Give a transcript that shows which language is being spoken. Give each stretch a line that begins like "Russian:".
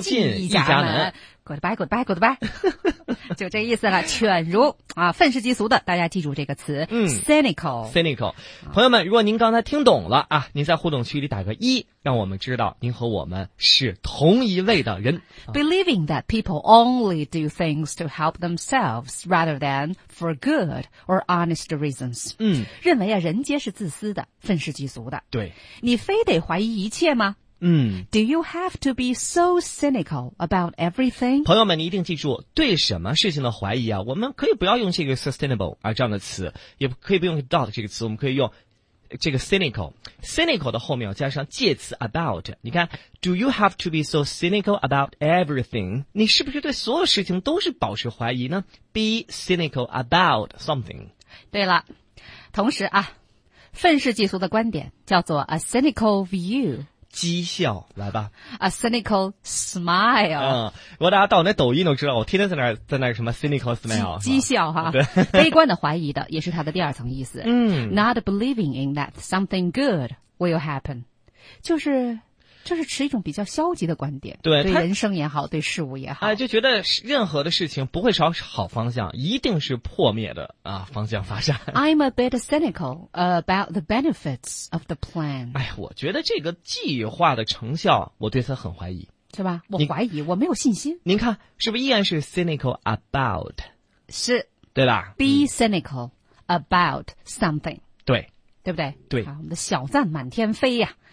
Chinese: 进一家门。
English: Goodbye Goodbye Goodbye
Chinese: 就这意思了，犬儒啊，愤世嫉俗的，大家记住这个词。
English: Cynical
Chinese: Cynical 朋友们，如果您刚才听懂了啊，您在互动区里打个一，让我们知道您和我们是同一类的人。
English: Believing that people only do things to help themselves rather than for good or honest reasons。
Chinese: 认为啊，人皆是自私的，愤世嫉俗的。对，你非得怀疑一切吗？
English: Do you have to be so cynical about everything?
Chinese: 朋友们，你一定记住，对什么事情的怀疑啊，我们可以不要用这个 sustainable 啊这样的词，也可以不用 doubt 这个词，我们可以用这个 cynical。 cynical 的后面要加上介词 about。你看
English: ,do you have to be so cynical about everything?
Chinese: 你是不是对所有事情都是保持怀疑呢？
English: be cynical about something。
Chinese: 对了，同时啊，愤世嫉俗的观点叫做 a cynical view。讥笑，来吧
English: ，a cynical smile。
Chinese: 如果大家到那抖音都知道，我天天在那什么 cynical smile，讥笑哈，对，悲观的怀疑的，也是它的第二层意思。
English: Not believing in that something good will happen，
Chinese: 就是持一种比较消极的观点，对，对人生也好，对事物也好，就觉得任何的事情不会朝好方向，一定是破灭的啊方向发展。
English: I'm a bit cynical about the benefits of the plan。
Chinese: 哎，我觉得这个计划的成效，我对它很怀疑，是吧？我怀疑，我没有信心。您看，是不是依然是 cynical about？是，对吧
English: ？Be cynical about something。
Chinese: 对。对不对？对，我们的小赞满天飞呀。